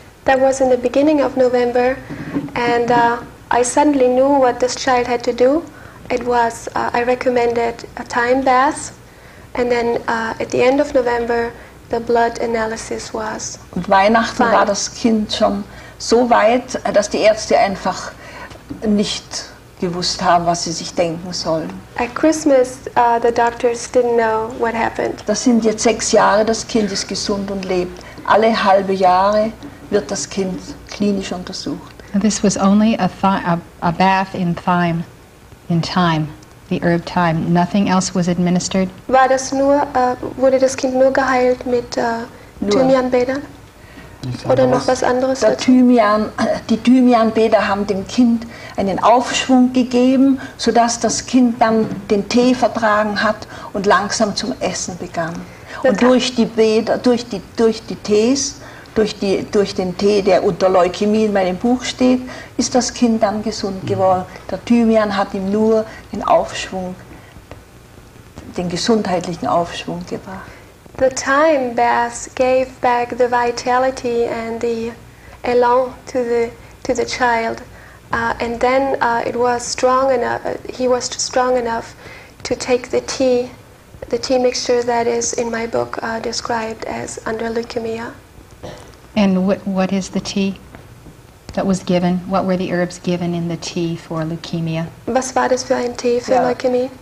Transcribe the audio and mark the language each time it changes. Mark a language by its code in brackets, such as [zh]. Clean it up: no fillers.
[en] That was in the beginning of November, and I suddenly knew what this child had to do. It was I recommended a time bath, and then at the end of November the blood analysis was. [de] Und Weihnachten [en] fine. [de] War das Kind schon so weit, dass die Ärzte einfach nicht gewusst haben, was sie sich denken sollen. At Christmas, the doctors didn't know what happened. Das sind jetzt 6 Jahre, das Kind ist gesund und lebt. Alle halbe Jahre wird das Kind klinisch untersucht. [en] This was only a bath in thyme, in thyme, the herb thyme. Nothing else was administered. [de] War das nur, wurde das Kind nur geheilt mit Thymianbädern? Oder noch was anderes? Die Thymianbäder haben dem Kind einen Aufschwung gegeben, sodass das Kind dann den Tee vertragen hat und langsam zum Essen begann. Und durch die Bäder, durch den Tee, der unter Leukämie in meinem Buch steht, ist das Kind dann gesund geworden. Der Thymian hat ihm nur den Aufschwung, den gesundheitlichen Aufschwung gebracht. [en] The time bath gave back the vitality and the elan to the child, and then it was strong enough. He was strong enough to take the tea mixture that is in my book described as under leukemia. And what is the tea that was given? What were the herbs given in the tea for leukemia? [de] Was war das für ein Tee für Leukämie?